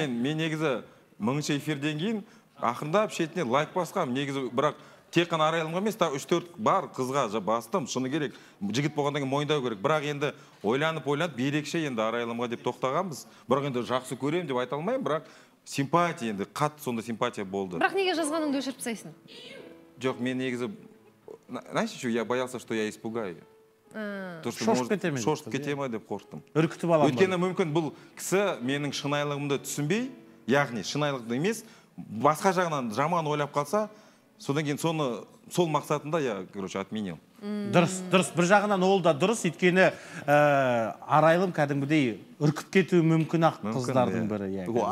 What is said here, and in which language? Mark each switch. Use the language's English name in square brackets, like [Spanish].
[Kazakh] Мен негізі мыңыншы эфирден кейін ақырындап шетіне лайк басқам, негізі бірақ тек қана арайлымға емес, та 3-4 бар қызға бастым, шыны керек, жігіт болғаннан кейін мойындау керек. Бірақ енді ойланып-ойланып, ерекше енді арайлымға деп тоқтағанбыз. Бірақ енді жақсы көремін деп айта алмаймын, бірақ симпатия енді, қат сонда симпатия болды. Бірақ неге жазғаныңды өшіріп тастайсың? Жоқ, мен негізі, [Russian] знаешь что, я боялся, что я испугаю. [Kazakh] Шошып кете ме деп қорықтым. Үркітіп аламын. Өйткені мүмкін бұл кісі менің шынайылығымды түсінбей, яғни шынайылығымды емес, басқа жағынан жаман ойлап қалса, содан кейін соны сол мақсатында [Russian] я, короче, отменил. [Kazakh] Дұрыс, дұрыс, бір жағынан ол да дұрыс, өйткені арайлым кәдімгідей үркіп кетуі мүмкін ақ қыздардың бірі.